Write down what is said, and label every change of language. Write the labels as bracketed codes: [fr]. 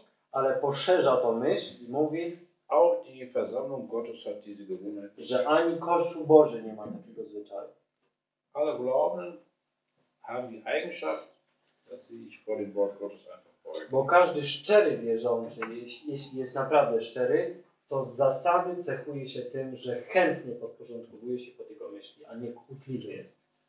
[pl] Ale poszerza to myśl i mówi, [de] auch die Versammlung Gottes hat diese Gewohnheit, [pl] że ani Kościół Boży nie ma takiego zwyczaju. [de] Alle Glauben haben die Eigenschaft, dass sie sich vor dem Wort Gottes einfach beugen. [pl] Bo każdy szczery wierzący, jeśli jest naprawdę szczery, to z zasady cechuje się tym, że chętnie podporządkowuje się pod jego myśli, a nie kłótliwy jest.